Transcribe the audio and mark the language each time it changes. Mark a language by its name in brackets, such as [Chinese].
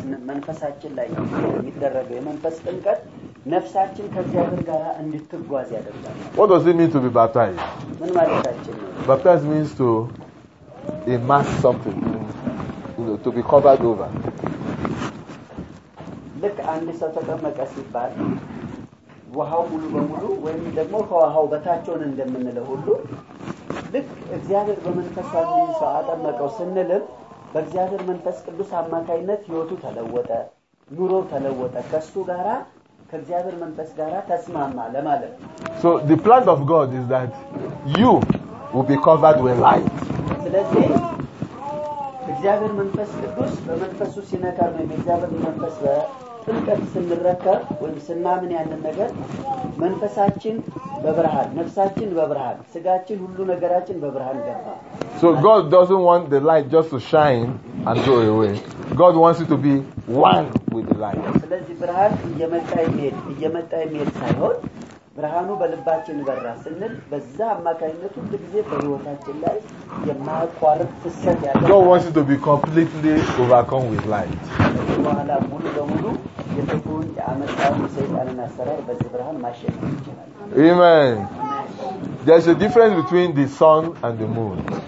[Amharic] መንፈሳችን ላይ የሚደረገው የመንፈስ ጥንቀት ነፍሳችን ከእግዚአብሔር ጋር እንድትጓዝ ያደርጋል። [English] What does it mean to be baptized? [Amharic] ምን ማለታችን ነው? [English] Baptized means to immerse something, you know, to be covered over. [Amharic] ልክ አንድ ሰው ተጠመቀ ሲባል ውሃው ሙሉ በሙሉ ወይም ደግሞ ከውሃው በታቸውን እንደምንለው ሁሉ ልክ እግዚአብሔር በመንፈስ ሳይሆን ሰው አጠመቀው ስንልም በእግዚአብሔር መንፈስ ቅዱስ አማካይነት ህይወቱ ተለወጠ፣ ኑሮ ተለወጠ፣ ከሱ ጋራ ከእግዚአብሔር መንፈስ ጋራ ተስማማ ለማለት። [English] So the plan of God is that you will be covered with light. [Amharic] ስለዚህ እግዚአብሔር መንፈስ ቅዱስ በመንፈሱ ሲነካ ነው እግዚአብሔር መንፈስ በጥልቀት ስንረከብ ወይም ስናምን ያንን ነገር መንፈሳችን በብርሃን ነፍሳችን በብርሃን ስጋችን ሁሉ ነገራችን በብርሃን ገባ። [English] So God doesn't want the light just to shine and go away. God wants it to be one with the light. [Amharic] ስለዚህ ብርሃን እየመጣ ይሄድ ሳይሆን ብርሃኑ በልባችን በራ ስንል በዛ አማካይነቱ ጊዜ በህይወታችን ላይ የማያቋርጥ ፍሰት ያለው። [English] God wants it to be completely overcome with light. [Amharic] ወላ ሙሉ ለሙሉ የተፈውን ያመጣው ሰይጣንና አሰራር በዚህ ብርሃን ማሸነፍ ይችላል። [English] Amen. There's a difference between the sun and the moon.